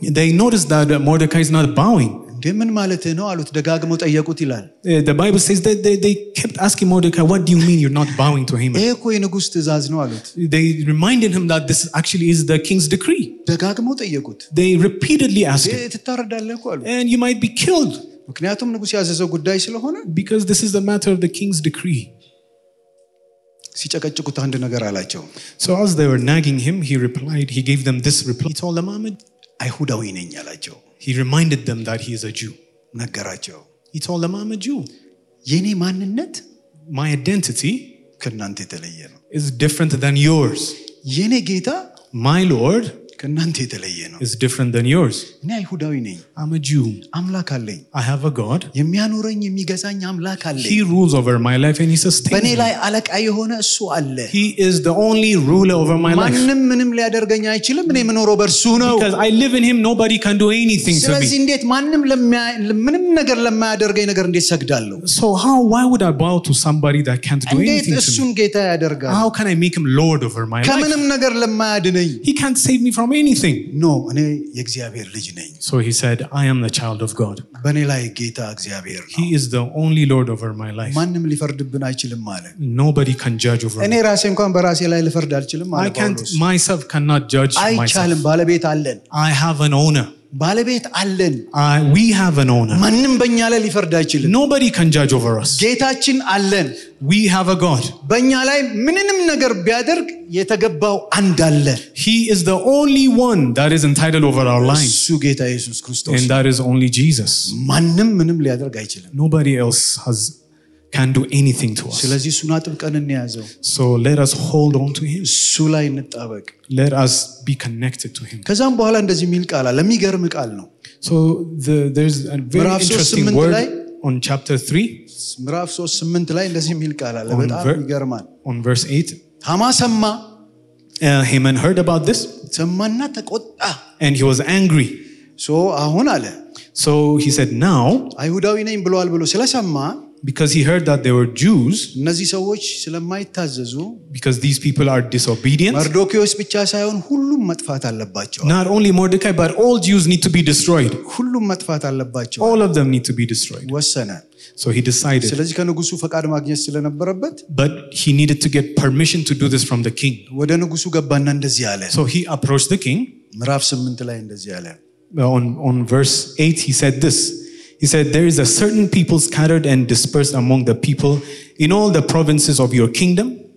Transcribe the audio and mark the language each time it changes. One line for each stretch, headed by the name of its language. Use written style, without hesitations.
English: They noticed that Mordecai is not bowing.
Amharic: እንደምን ማለት ነው አሉት ደጋግመው ጠየቁት ይላል.
English: The Bible says that they kept asking Mordecai, what do you mean you're not bowing to him?
Amharic: እኮ የንጉስ ትእዛዝ ነው አሉት.
English: They reminded him that this actually is the king's decree.
Amharic: ደጋግመው ጠየቁት.
English: They repeatedly asked him.
Amharic: ትታረዳለህ እኮ አሉት.
English: And you might be killed.
Amharic: ምክንያቱም ንጉስ ያዘዘው ጉዳይ ስለሆነ.
English: Because this is the matter of the king's decree.
Amharic: ሲጨቀጭቁት አንድ ነገር አላቸው.
English: So as they were nagging him, he replied, he gave them this reply. He told them, "Ahmed,
Amharic: አይሁዳዊ ነኝ አላቸው.
English: He reminded them that he is a Jew.
Amharic: ነገራቸው.
English: He told them, "Ahmed, Jew."
Amharic: የኔ ማንነት,
English: my identity,
Amharic: ከናንተ የተለየ ነው.
English: Is different than yours.
Amharic: የኔ ጌታ,
English: my Lord,
Amharic: ከናንተ የተለየ ነው.
English: Is different than yours.
Amharic: እኔ አይሁዳዊ ነኝ.
English: I'm a Jew.
Amharic: አምላክ አለኝ.
English: I have a God.
Amharic: የሚያኖረኝ የሚገዛኝ አምላክ አለኝ.
English: He rules over my life and he sustains me.
Amharic: በኔ ላይ አለቃ የሆነ እሱ አለ.
English: He is the only ruler over my life.
Amharic: ማንም ምንም ሊያደርገኝ አይችልም. እኔ የምኖረው በርሱ ነው.
English: Because I live in him, nobody can do anything to me.
Amharic: ስለዚህ እንዴት ማንም ለምንም ነገር ለማያደርገኝ ነገር እንዴት ሰግዳለሁ?
English: So why would I bow to somebody that can't do anything to me?
Amharic: እንዴት እሱን ጌታ ያደርጋል?
English: How can I make him Lord over my life?
Amharic: ከምንም ነገር ለማያድነኝ.
English: He can't save me from anything. No,
Amharic: እኔ የእግዚአብሔር ልጅ ነኝ.
English: So he said, I am the child of God.
Amharic: በኔ ላይ ጌታ እግዚአብሔር ነው.
English: He is the only Lord over my life.
Amharic: ማንም ሊፈርድብን አይችልም ማለት.
English: Nobody can judge over me.
Amharic: እኔ ራሴ እንኳን በራሴ ላይ ልፈርድ አልችልም ማለት.
English: I can't myself cannot judge myself.
Amharic: አይቻልም ባለቤት አለን.
English: I have an owner.
Amharic: ባለቤት አለን.
English: We have an owner.
Amharic: ማንም በእኛ ላይ ሊፈርድ አይችልም.
English: Nobody can judge over us.
Amharic: ጌታችን አለን.
English: We have a God.
Amharic: በእኛ ላይ ምንንም ነገር ቢያደርግ የተገባው አንድ አለ.
English: He is the only one that is entitled over our lives.
Amharic: እሱ ጌታ ኢየሱስ ክርስቶስ.
English: And that is only Jesus.
Amharic: ማንም ምንም ሊያደርግ አይችልም.
English: Nobody else can do anything to us.
Amharic: ስለዚህ እሱን አጥብቀን እንያዘው.
English: So let us hold on to him.
Amharic: እሱ ላይ እንጣበቅ.
English: Let us be connected to him.
Amharic: ከዛም በኋላ እንደዚህ የሚል ቃል አለ. የሚገርም ቃል ነው.
English: So there's a very interesting word on chapter 3.
Amharic: ምዕራፍ 8 ላይ እንደዚህ የሚል ቃል አለ. በጣም ይገርማል.
English: On verse 8.
Amharic: ሐማ ሰማ.
English: Haman heard about this.
Amharic: ሰማና ተቆጣ.
English: And he was angry. So
Amharic: አሁን አለ.
English: So he said now.
Amharic: አይሁዳዊ ነኝ ብሏል ብሎ ስለሰማ.
English: Because he heard that they were Jews.
Amharic: እነዚህ ሰዎች ስለማይታዘዙ.
English: Because these people are disobedient.
Amharic: መርዶክዮስ ብቻ ሳይሆን ሁሉም መጥፋት አለባቸው.
English: Not only Mordecai but all Jews need to be destroyed.
Amharic: ሁሉም መጥፋት አለባቸው.
English: All of them need to be destroyed.
Amharic: ወሰነ.
English: So he decided.
Amharic: ስለዚህ ከንጉሱ ፈቃድ ማግኘት ስለነበረበት.
English: But he needed to get permission to do this from the king.
Amharic: ወደ ንጉሱ ገባና እንደዚህ አለ.
English: So he approached the king.
Amharic: ምዕራፍ 8 ላይ እንደዚህ አለ.
English: On verse 8 he said this. He said, there is a certain people scattered and dispersed among the people in all the provinces of your kingdom.